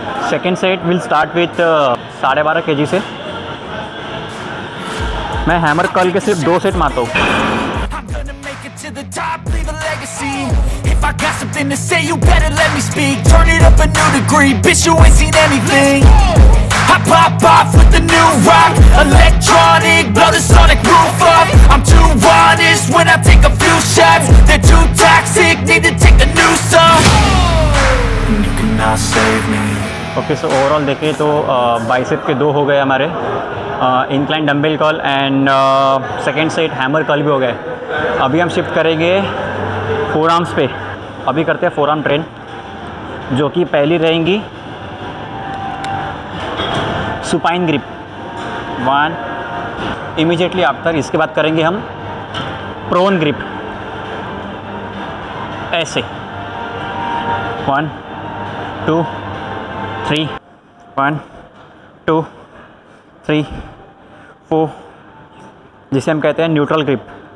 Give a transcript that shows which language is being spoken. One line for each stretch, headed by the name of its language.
English: Second set will start with 12.5 kg से।
Hindi: मैं hammer curl के सिर्फ दो सेट मारता हूँ।
English: I pop off with the new rock, electronic, blow the sonic roof up. I'm too honest when I take a few shots. They're too toxic, need to take the new song. You cannot save me.
Hindi: Okay, so overall देखें तो bicep के दो हो गए हमारे, incline dumbbell curl and second set hammer curl भी हो गए। अभी हम शिफ्ट करेंगे फोर आर्म्स पे, अभी करते हैं फोर आर्म ट्रेन, जो कि पहली रहेंगी
English: supine grip one immediately after,
Hindi: इसके बाद करेंगे हम प्रोन ग्रिप ऐसे one two three one two three four, जिसे हम कहते हैं न्यूट्रल ग्रिप।